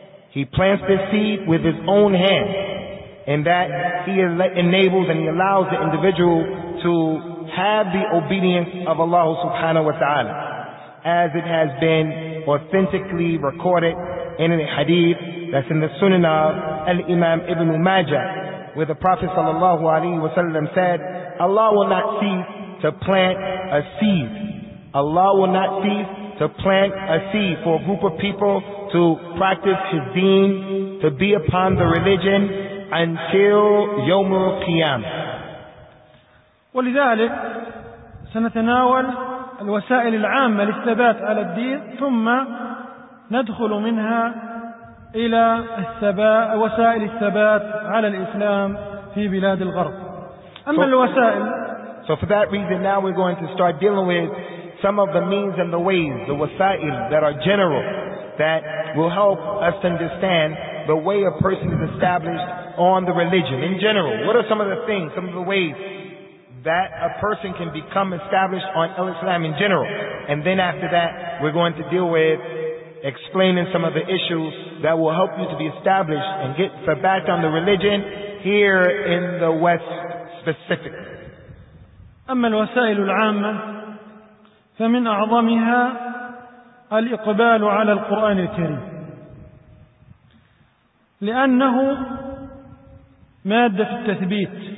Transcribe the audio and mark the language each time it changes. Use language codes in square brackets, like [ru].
[en] He plants this seed with His own hand, and that He enables and He allows the individual to have the obedience of Allah subhanahu wa ta'ala, as it has been authentically recorded in a hadith that's in the Sunan of Al-Imam Ibn Majah, where the Prophet sallallahu alayhi wa sallam said, Allah will not cease to plant a seed. Allah will not cease to plant a seed for a group of people to practice His deen, to be upon the religion until Yawmul Qiyam. [ar] ولذلك سنتناول الوسائل العامة للثبات على الدين، ثم ندخل منها إلى وسائل الثبات على الإسلام في بلاد الغرب. أما الوسائل، [en] so for that reason now we're going to start dealing with some of the means and the ways, the wasail that are general that will help us understand the way a person is established on the religion in general. What are some of the things, some of the ways that a person can become established on Islam in general? And then after that, we're going to deal with explaining some of the issues that will help you to be established and get thabat on the religion here in the West specifically. [ar] أما الوسائل العامة فمن أعظمها الإقبال على القرآن الكريم، لأنه مادة في التثبيت.